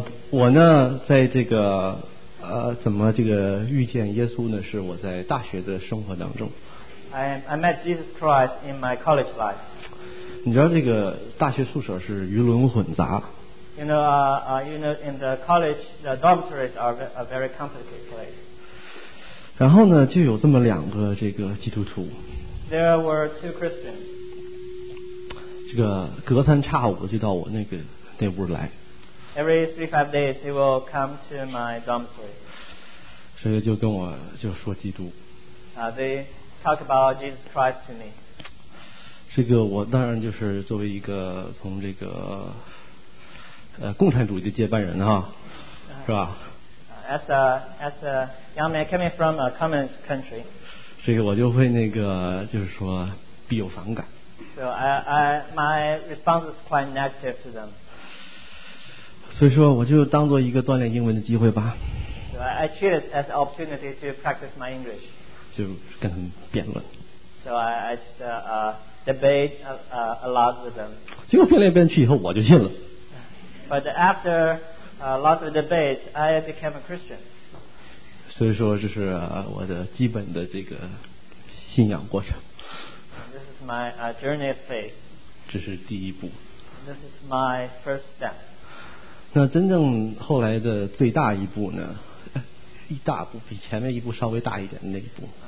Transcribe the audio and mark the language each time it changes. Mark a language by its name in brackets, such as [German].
[Chinese] 我呢在这个怎么这个遇见耶稣呢，是我在大学的生活当中。 [English] I met Jesus Christ in my college life. [Chinese] 你知道这个大学宿舍是鱼龙混杂。 [English] You know in the college the dormitories are a very complicated place. [Chinese] 然后呢就有这么两个这个基督徒。 [English] There were two Christians. [Chinese] 这个隔三差五就到我那个那屋来。 [English] Every 3-5 days, he will come to my dormitory. [Chinese] 所以就跟我就说基督。 [English] They talk about Jesus Christ to me. [Chinese] 这个我当然就是作为一个从这个共产主义的接班人哈，是吧 [English] ？As a young man coming from a communist country. [Chinese] 这个我就会那个就是说必有反感。 [English] So I my response is quite negative to them. [Chinese] 所以说我就当做一个锻炼英文的机会吧。 [English] So I treat it as an opportunity to practice my English. [Chinese] 就跟他们辩论。 [English] So I just debate a lot with them. [Chinese] 结果辩来辩去以后我就信了。 [English] But after a lot of debates, I became a Christian. [Chinese] 所以说这是我的基本的这个信仰过程。 [English] And this is my journey of faith. [Chinese] 这是第一步。 [English] And this is my first step. [Chinese] 那真正后来的最大一步呢，一大步比前面一步稍微大一点的那一步。